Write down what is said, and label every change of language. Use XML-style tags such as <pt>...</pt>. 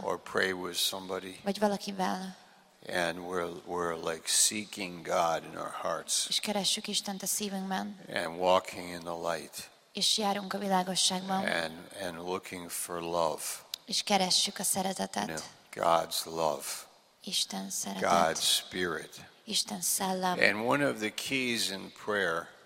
<en>Or pray with somebody.</en> <hu>Vagy valakivel.</hu> <en>And we're like seeking God in our hearts.</en> <hu>És keressük Istent a szívünkben.</hu> <en>And walking in the light.</en> <hu>És járunk a világosságban.</hu> <en>And looking for love.</en> <hu>És keressük a szeretetet.</hu> <en>You know, God's love.</en> <hu>Isten szeretet.</hu> <en>God's spirit.</en> <hu>Isten szellem.</hu> <en>And one of the keys in prayer.</en>